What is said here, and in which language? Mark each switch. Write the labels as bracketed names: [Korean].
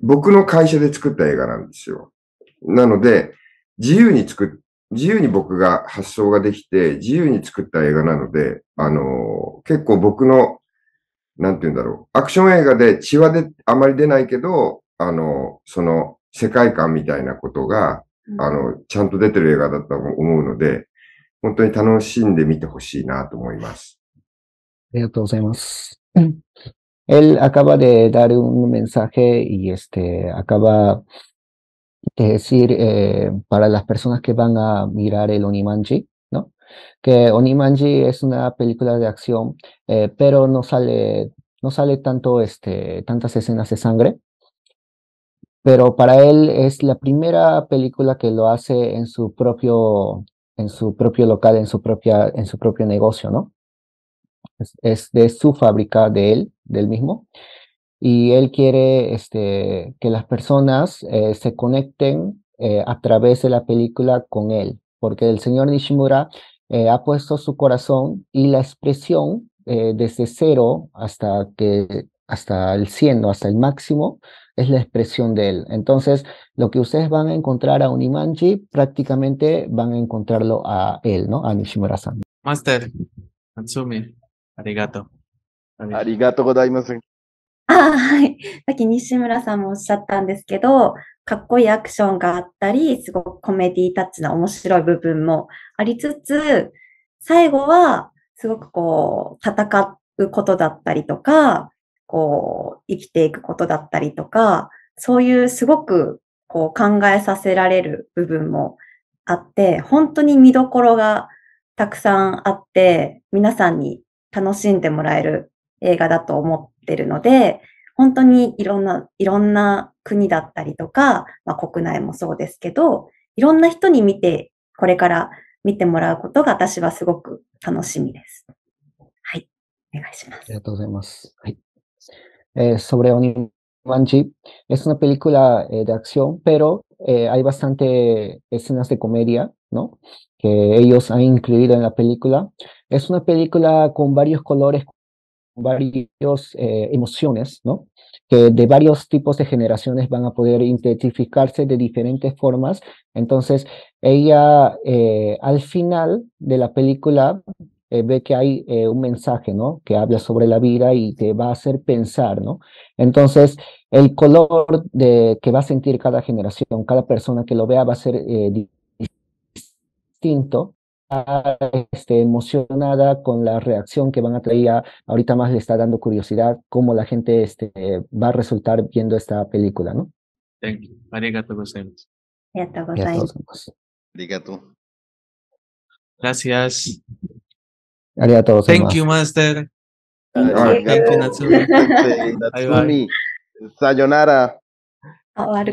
[Japanese] 僕の会社で作った映画なんですよ。なので、自由に僕が発想ができて、自由に作った映画なので、結構僕の、なんて言うんだろう。アクション映画で血はあまり出ないけど、その世界観みたいなことが、ちゃんと出てる映画だと思うので、本当に楽しんで見てほしいなと思います。ありがとうございます。 [Spanish] Él acaba de dar un mensaje y acaba de decir para las personas que van a mirar el Onimanji, ¿no? Que Onimanji es una película de acción, pero no sale tanto tantas escenas de sangre. Pero para él es la primera película que lo hace en su propio local, en su propio negocio, ¿no? Es de su fábrica, de él, del mismo. Y él quiere que las personas se conecten a través de la película con él. Porque el señor Nishimura ha puesto su corazón y la expresión desde cero hasta el 100, ¿no? Hasta el máximo, es la expresión de él. Entonces, lo que ustedes van a encontrar a Unimanji, prácticamente van a encontrarlo a él, ¿no? A Nishimura-san. Master, Natsumi, arigato. [Japanese] ありがとうございます。はい。さっき西村さんもおっしゃったんですけど、かっこいいアクションがあったり、すごくコメディタッチな面白い部分もありつつ、最後は、すごくこう、戦うことだったりとか、こう、生きていくことだったりとか、そういうすごく、こう、考えさせられる部分もあって、本当に見どころがたくさんあって、皆さんに楽しんでもらえる映画だと思ってるので、本当にいろんな国だったりとか、まあ、国内もそうですけど、いろんな人に見て、これから見てもらうことが私はすごく楽しみです。お願いします。ありがとうございます。はい。 [Spanish] Sobre Onimanji, es una película de acción, pero hay bastante escenas de comedia, ¿no? Que ellos han incluido en la película. Es una película con varios colores, con varias emociones, ¿no? Que de varios tipos de generaciones van a poder identificarse de diferentes formas. Entonces, ella al final de la película ve que hay un mensaje, ¿no? Que habla sobre la vida y te va a hacer pensar, ¿no? Entonces, el color de que va a sentir cada generación, cada persona que lo vea, va a ser distinto, emocionada con la reacción que van a tener. Ahorita más le está dando curiosidad cómo la gente va a resultar viendo esta película, ¿no? [English] Thank you. [Japanese] ありがとうございます。ありがとうごありがざいとうございます。す。ありがとう。 [Spanish] Gracias. [Japanese] ありがとうございま [English] Thank you, Master. Thank [Japanese] ありがとう。 [English] Thank you, Natsumi. Thank [Japanese] バイバイ。 [English] you, Natsumi. [Japanese] さよなら。あ、悪